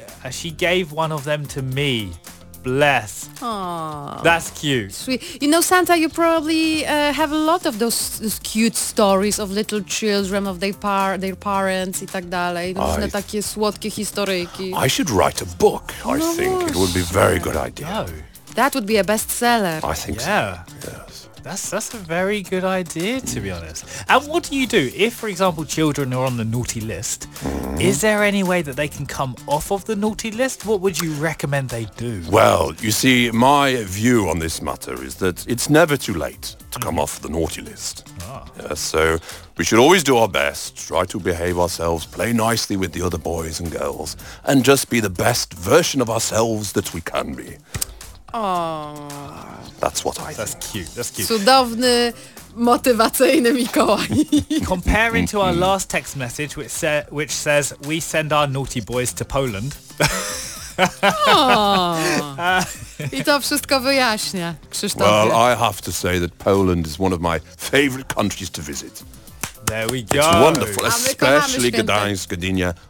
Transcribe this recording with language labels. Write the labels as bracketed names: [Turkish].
[English] She gave one of them to me. Bless. Aww. That's cute. Sweet. You know, Santa, you probably have a lot of those cute stories of little children, of their parents [Polish] i tak dalej. Różne takie słodkie historyjki. [English] I should write a book, I no think. [Polish] Właśnie. [English] It would be a very good idea. No. That would be a bestseller. I think so. Yes. That's a very good idea, to be honest. And what do you do if, for example, children are on the naughty list? Mm-hmm. Is there any way that they can come off of the naughty list? What would you recommend they do? Well, you see, my view on this matter is that it's never too late to come off the naughty list. Ah. Yeah, so we should always do our best, try to behave ourselves, play nicely with the other boys and girls, and just be the best version of ourselves that we can be. Oh. That's what I That's think. Cute. That's cute. [Polish] Cudowny, motywacyjny Mikołaj. [English] Comparing to our last text message, which says, we send our naughty boys to Poland. [Polish] I to wszystko wyjaśnia, Krzysztof. [English] Well, I have to say that Poland is one of my favorite countries to visit. There we go. It's wonderful, especially Gdańsk, Gdynia.